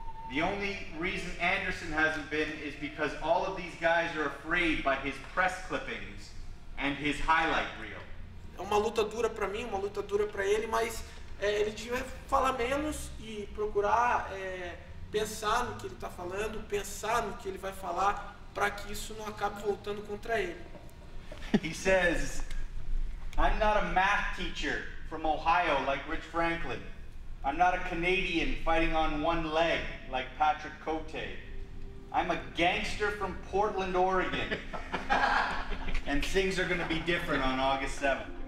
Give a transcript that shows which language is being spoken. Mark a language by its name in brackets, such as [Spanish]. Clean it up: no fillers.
[English] The only reason Anderson hasn't been is because all of these guys are afraid by his press clippings and his highlight reel. [Portuguese] É uma luta dura para mim, uma luta dura para ele, mas ele devia falar menos e procurar pensar no que ele está falando, pensar no que ele vai falar, para que isso não acabe voltando contra ele. [English] He says, I'm not a math teacher from Ohio like Rich Franklin. I'm not a Canadian fighting on one leg like Patrick Cote. I'm a gangster from Portland, Oregon. And things are going to be different on August 7th.